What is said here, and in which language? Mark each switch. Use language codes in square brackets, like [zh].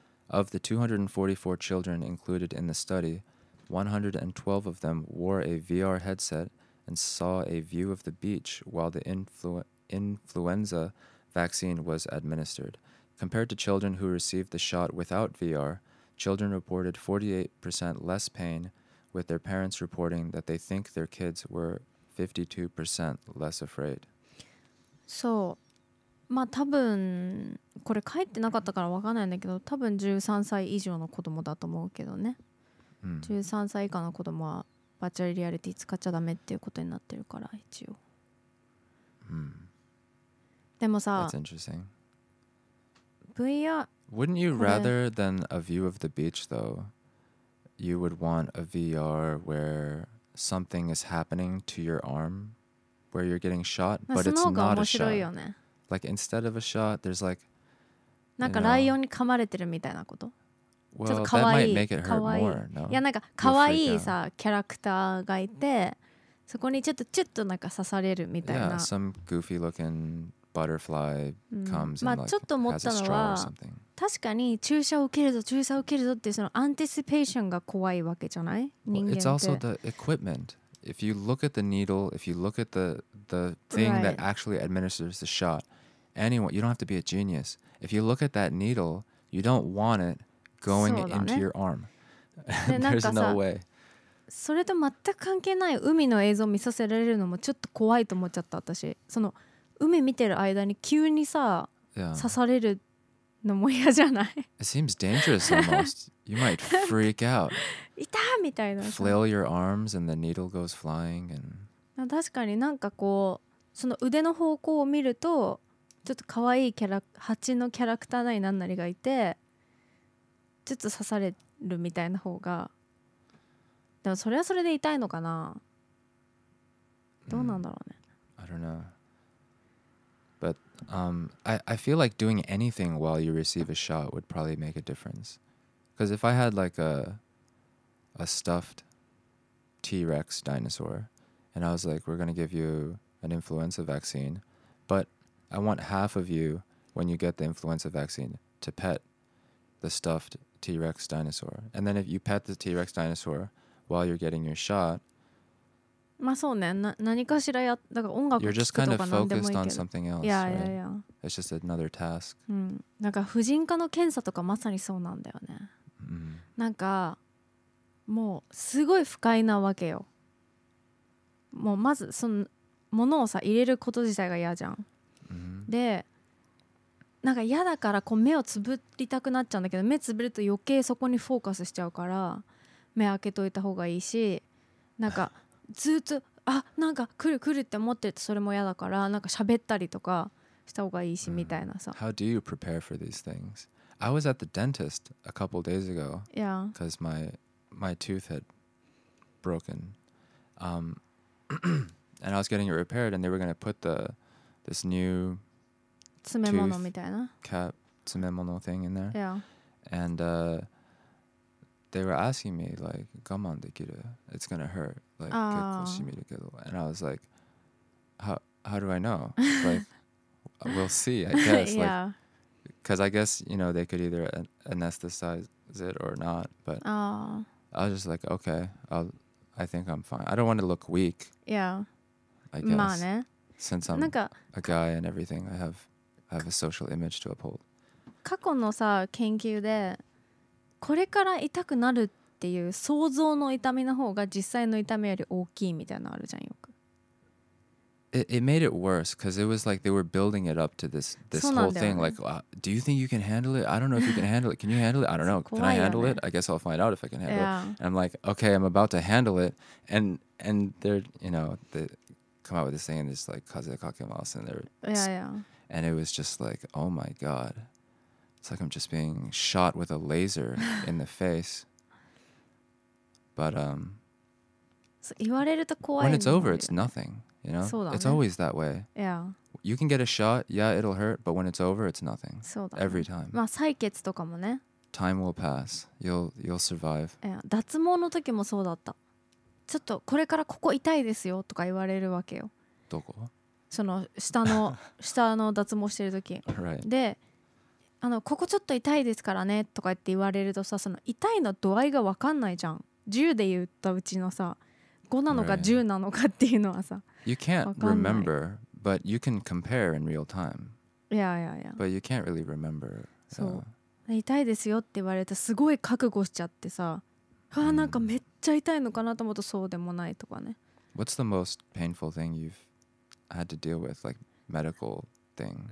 [en] Of the 244 children included in the study, 112 of them wore a VR headset and saw a view of the beach while the influenza vaccine was administered. Compared to children who received the shot without VR, children reported 48% less pain, with their parents reporting that they think their kids were 52% less afraid. So... [ja] まあ多分これ書いてなかったから分かんないんだけど、多分13歳以上の子供だと思うけどね、うん、 13歳以下の子供はバーチャルリアリティ使っちゃダメっていうことになってるから一応、うん、でもさ [en] That's interesting. VR Wouldn't you rather than a view of the beach though? You would want a VR where something is happening to your arm where you're getting shot but it's not a shot. [ja] その方が面白いよね。 [en] Like instead of a shot, there's like, [ja] なんかライオンに噛まれてるみたいなこと。 [en] Well, [ja] ちょっと可愛い。 [en] That might make it hurt more. No. [ja] いやなんか可愛いさキャラクターがいて、そこにちょっとなんか刺されるみたいな。 [en] Yeah, some goofy looking butterfly comes and like has a straw or something. [ja] 確かに注射を受けるぞ注射を受けるぞっていうそのアンティシペーションが怖いわけじゃない？人間って。 [en] It's also the equipment. If you look at the needle, if you look at the thing、 right. that actually administers the shot, anyone, you don't have to be a genius. If you look at that needle, you don't want it going、 [ja] ね、 [en] into your arm. There's no way. [ja] それと全く関係ない海の映像を見させられるのもちょっと怖いと思っちゃった私。その海見てる間に急にさ、 [en] yeah. [ja] 刺されるのも嫌じゃない [en] It seems dangerous almost. You might freak out. [ja] いたみたいな。 [en] Flail your arms and the needle goes flying. And [ja] 確かになんかこうその腕の方向を見るとちょっと可愛いキャラ蜂のキャラクターなりなんなりがいてちょっと刺されるみたいな方がでもそれはそれで痛いのかな、どうなんだろうね。 [en] I don't know. But I feel like doing anything while you receive a shot would probably make a difference. Because if I had like a stuffed T-Rex dinosaur and I was like, we're going to give you an influenza vaccine, but I want half of you when you get the influenza vaccine to pet the stuffed T-Rex dinosaur. And then if you pet the T-Rex dinosaur while you're getting your shot, [ja] まあそうね、何かしらやだから音楽聴くとか何でもいいけど、 [en] kind of else, [ja] いやいやいや、 [en] It's just another task. [ja] うん、なんか婦人科の検査とかまさにそうなんだよね。 Mm-hmm. なんかもうすごい不快なわけよ。もうまずその物をさ入れること自体が嫌じゃん。 Mm-hmm. で、なんか嫌だからこう目をつぶりたくなっちゃうんだけど、目つぶると余計そこにフォーカスしちゃうから目開けといた方がいいし、なんかずっとあなんか来る来るって思ってるとそれも嫌だから、なんか喋ったりとかした方がいいしみたいなさ、 [en] mm. How do you prepare for these things? I was at the dentist a couple days ago because my tooth had broken and I was getting it repaired and they were going to put this new tooth cap thing in there. Yeah. And they were asking me like, [ja] 我慢できる? [en] It's going to hurt. Like, [ja] 結構しみるけど. [en] And I was like, how do I know? Like, we'll see, I guess. Yeah. Like, because I guess, you know, they could either anesthetize it or not. But I was just like, okay, I think I'm fine. I don't want to look weak. Yeah. I guess. [ja] まあね。 [en] Since I'm a guy and everything, I have a social image to uphold. [ja] 過去のさ研究でこれから痛くなるっていう想像の痛みの方が実際の痛みより大きいみたいなのあるじゃんよく。 [en] It made it worse because it was like they were building it up to this whole thing. Like, do you think you can handle it? I don't know if you can handle it. Can you handle it? I don't know. Can I handle it? I guess I'll find out if I can handle it. And I'm like, okay, I'm about to handle it. And they're, you know, they come out with this thing and it's like, [ja] kaze kakemasu, [en] and they're... And it was just like, oh my god. It's like I'm just being shot with a laser in the face. But, [ja] そう言われると怖いね。 [en] When it's over, it's nothing. You know? [ja] そうだね。 [en] It's always that way. Yeah. You can get a shot, yeah, it'll hurt, but when it's over, it's nothing. [ja] そうだね。 [en] Every time. [ja] まあ、採血とかもね。 [en] Time will pass. You'll survive. Yeah. [ja] 脱毛の時もそうだった。ちょっとこれからここ痛いですよとか言われるわけよ。どこ? その下の脱毛してる時、 [en] right. [ja] で、あのここちょっと痛いですからねとか言って言われるとさ、その痛いの度合いが分かんないじゃん。 10で言ったうちのさ、5なのか10なのかっていうのはさ、 [en] right. You can't remember, but you can compare in real time. Yeah, yeah, yeah. But you can't really remember. [ja] そう、痛いですよって言われてすごい覚悟しちゃってさ、mm. あなんかめっちゃ痛いのかなと思うとそうでもないとかね。 [en] What's the most painful thing you've? I had to deal with like medical thing.